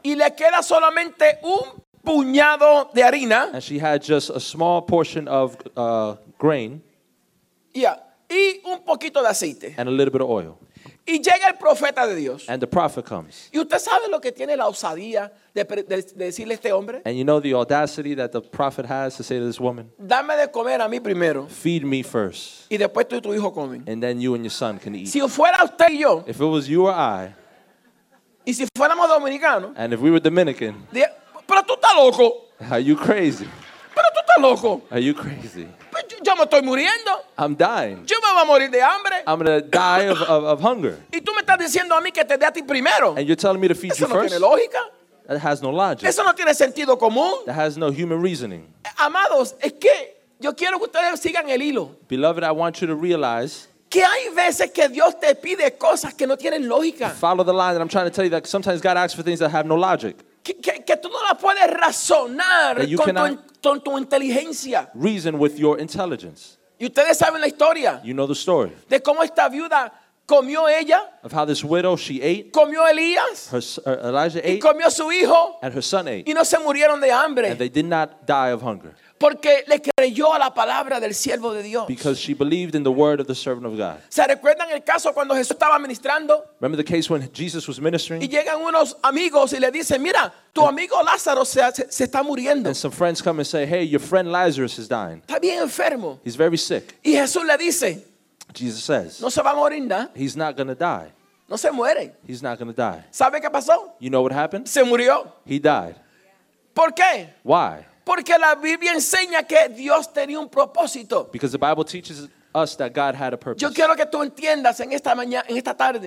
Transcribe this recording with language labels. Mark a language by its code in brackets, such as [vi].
[es] Y le queda solamente un puñado de harina. [en] And she had just a small portion of grain. [es] Yeah. Y un poquito de aceite. [en] And a little bit of oil. [es] Y llega el profeta de Dios. [en] And the prophet comes. [es] ¿Y usted sabe lo que tiene la osadía de decirle a este hombre? [en] And you know the audacity that the prophet has to say to this woman? [es] Dame de comer a mí primero. [en] Feed me first. [es] Y después tú y tu hijo comen. [en] And then you and your son can eat. [es] Si fuera usted y yo. [en] If it was you or I. [es] Y si fuéramos dominicanos. [en] And if we were Dominican. [es] Pero tú estás loco. [en] Are you crazy? [es] Pero tú estás loco. [en] Are you crazy? [es] Yo me estoy muriendo. [en] I'm dying. [es] Yo me voy a morir de hambre. [en] I'm going to die of hunger. [es] Y tú me estás diciendo a mí que te dé a ti primero. [en] And you're telling me to feed [es] eso [en] you first? [es] Eso no tiene lógica. [en] That has no logic. [es] Eso no tiene sentido común. [en] That has no human reasoning. [es] Amados, es que yo quiero que ustedes sigan el hilo. [en] Beloved, I want you to realize [es] que hay veces que Dios te pide cosas que no tienen lógica. [en] Follow the line that I'm trying to tell you, that sometimes God asks for things that have no logic. [es] Que tú no la puedes razonar con tu inteligencia. [en] Reason with your intelligence. [es] Y ustedes saben la historia. [en] You know the story. [es] De cómo esta viuda Comió ella. [en] Of how this widow, she ate. [es] Comió Elías. [en] Elijah ate. [es] Y comió su hijo. [en] And her son ate. [es] Y no se murieron de hambre. [en] And they did not die of hunger. [es] Porque le creyó a la palabra del siervo de Dios. [en] Because she believed in the word of the servant of God. [es] ¿Se recuerdan el caso cuando Jesús estaba ministrando? [en] Remember the case when Jesus was ministering? [es] Y llegan unos amigos y le dicen, mira, tu amigo Lázaro se está muriendo. [en] And some friends come and say, hey, your friend Lazarus is dying. [es] Está bien enfermo. [en] He's very sick. [es] Y Jesús le dice, [en] Jesus says, [es] no se va a morir, ¿no? [en] He's not going to die. [es] No se muere. [en] He's not going to die. [es] ¿Sabe qué pasó? [en] You know what happened? [es] Se murió. [en] He died. [es] ¿Por qué? [en] Why? [es] Porque la Biblia enseña que Dios tenía un propósito. [en] Because the Bible teaches us that God had a purpose. [es] Yo quiero que tú entiendas en esta mañana, en esta tarde.